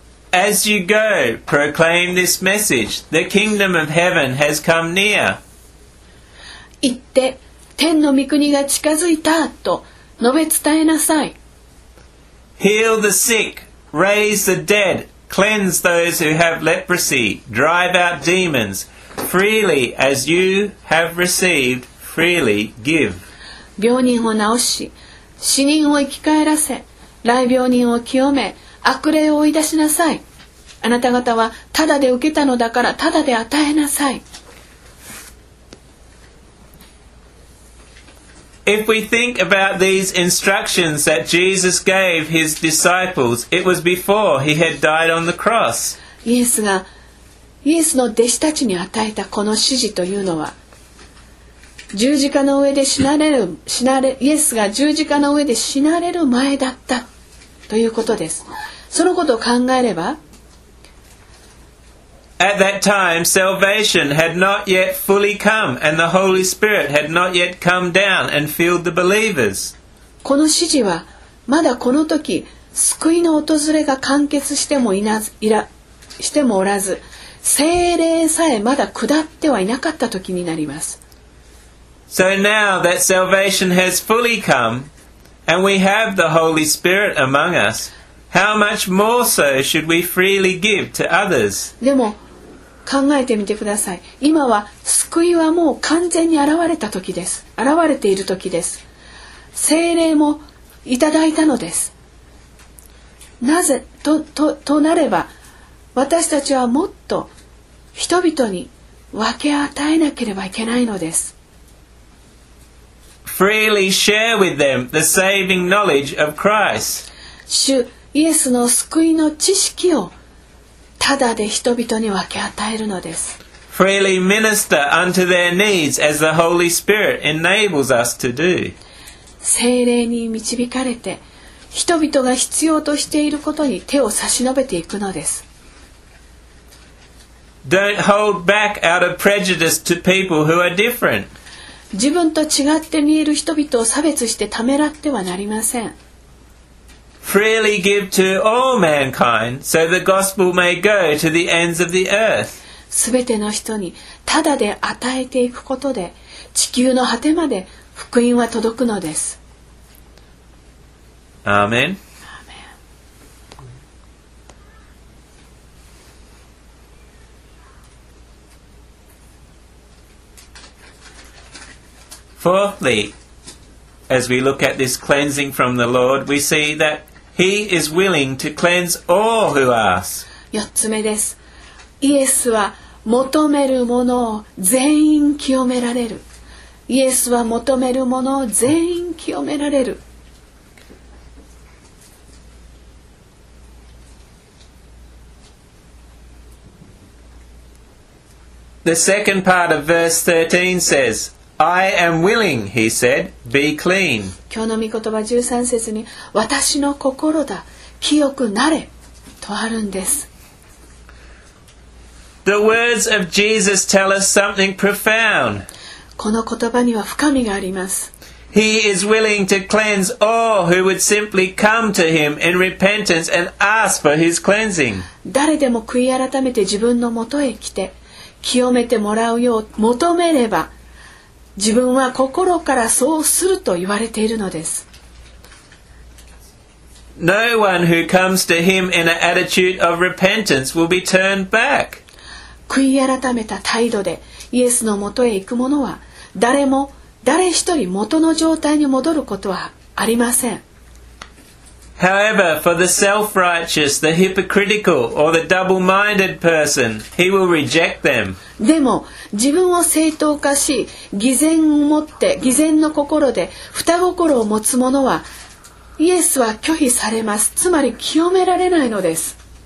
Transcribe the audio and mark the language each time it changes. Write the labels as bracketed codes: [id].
[en] As you go, proclaim this message. The kingdom of heaven has come near. [ja] 行って、天の御国が近づいたと述べ伝えなさい。 [en] Heal the sick, raise the dead, cleanse those who have leprosy, drive out demons. Freely as you have received, freely give. [ja] 病人を治し、死人を生き返らせ、雷病人を清め、悪霊を追い出しなさい。あなた方はただで受けたのだから、ただで与えなさい。 [en] If we think about these instructions that Jesus gave his disciples, it was before he had died on the cross. [ja] イエスがイエスの弟子たちに与えたこの指示というのは、十字架の上で死なれイエスが十字架の上で死なれる前だったということです。そのことを考えれば、 [en] At that time, salvation had not yet fully come, and the Holy Spirit had not yet come down and filled the believers. [ja] この指示は、まだこの時、救いの訪れが完結してもおらず、聖霊さえまだ下ってはいなかった時になります。 [en] So now that salvation has fully come, and we have the Holy Spirit among us,How much more so should we freely give to others? [ja] でも考えてみてください。今は救いはもう完全に現れた時です。現れている時です。聖霊もいただいたのです。なぜ となれば私たちはもっと人々に分け与えなければいけないのです。 [en] Freely share with them the saving knowledge of Christ. [ja] 主イエスの救いの知識をただで人々に分け与えるのです。 [en] Freely minister unto their needs as the Holy Spirit enables us to do. [ja] 聖霊に導かれて、人々が必要としていることに手を差し伸べていくのです。 [en] Don't hold back out of prejudice to people who are different. [ja] 自分と違って見える人々を差別してためらってはなりません。 [en] Freely give to all mankind, so the gospel may go to the ends of the earth. [ja] すべての人にただで与えていくことで、地球の果てまで福音は届くのです。 [en] Amen. Amen. Fourthly, as we look at this cleansing from the Lord, we see that. He is willing to cleanse all who ask. [ja] 四つ目です。イエスは求めるものを全員清められる。イエスは求めるものを全員清められる。 [en] The second part of verse 13 says,I am willing, he said, be clean. [ja] 今日の御言葉十三節に、私の心だ、清くなれ、とあるんです。 [en] The words of Jesus tell us something profound. [ja] この言葉には深みがあります。 [en] He is willing to cleanse all who would simply come to him in repentance and ask for his cleansing. [ja] 誰でも悔い改めて自分のもとへ来て、清めてもらうよう求めれば、自分は心からそうすると言われているのです。 [en] No one who comes to him in an attitude of repentance will be turned back. [ja] 悔い改めた態度でイエスのもとへ行く者は、誰一人元の状態に戻ることはありません。 [en] However, for the self-righteous, the hypocritical, or the double-minded person, he will reject them. [ja] でも、自分を正当化し、偽善の心で、二心を持つ者は、イエスは拒否されます。つまり、清められないのです。